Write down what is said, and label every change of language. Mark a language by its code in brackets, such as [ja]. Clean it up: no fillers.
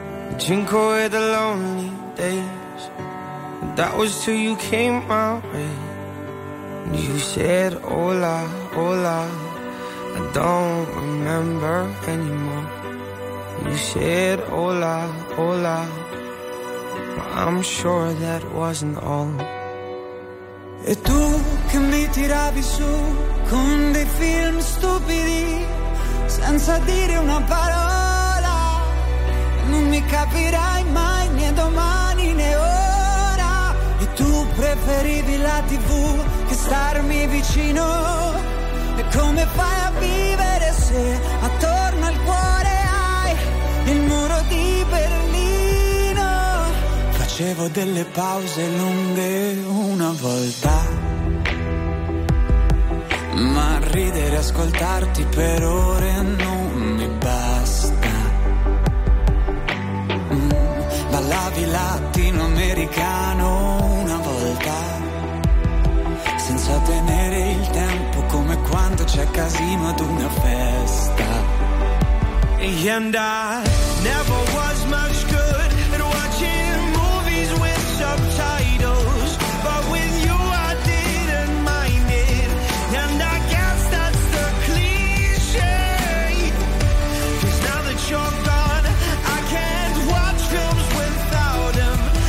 [en] I drink away the lonely days, and that was till you came my way. And you said, hola, hola, I don't remember anymore. You said, hola, hola, but I'm sure that wasn't all. [it] E tu che mi tiravi su con dei film stupidi, senza dire una parola, non mi capirai mai, né domani né ora. E tu preferivi la TV che starmi vicino. E come fai a vivere se attorno al cuore hai il muro di Berlino? Facevo delle pause lunghe una volta, ma ridere e ascoltarti per ore non mi basta. Ballavi latinoamericano una volta, senza tenere il tempo, come quando c'è casino ad una festa. [en] And I never was much good at watching movies with subtitles, but with you I didn't mind it. And I guess that's the cliche, 'cause now that you're gone I can't watch films without them.